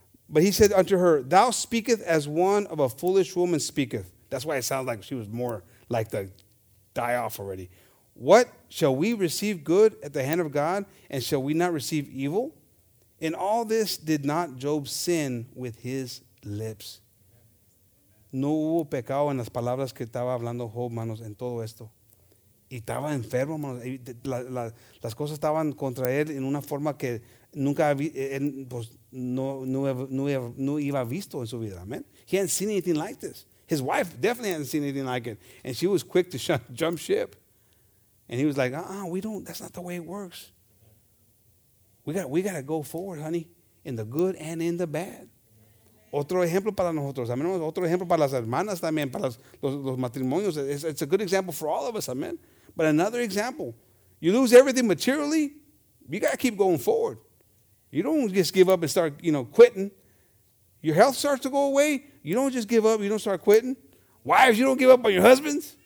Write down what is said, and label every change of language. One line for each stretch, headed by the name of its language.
English: But he said unto her, thou speaketh as one of a foolish woman speaketh. That's why it sounds like she was more like the die off already. What shall we receive good at the hand of God, and shall we not receive evil? In all this did not Job sin with his lips.
Spanish: No hubo pecado en las palabras que estaba hablando Job, manos, en todo esto. Y estaba enfermo, manos. Las cosas estaban contra él en una forma que nunca no iba visto en su vida.
English: Amen. He hadn't seen anything like this. His wife definitely hadn't seen anything like it. And she was quick to jump ship. And he was like, that's not the way it works. We got to go forward, honey, in the good and in the bad.
Spanish: Otro ejemplo para nosotros, amen. Otro ejemplo para las hermanas también, para los matrimonios.
English: It's a good example for all of us, amen. But another example, you lose everything materially, you got to keep going forward. You don't just give up and start, you know, quitting. Your health starts to go away, you don't just give up, you don't start quitting. Wives, you don't give up on your husbands.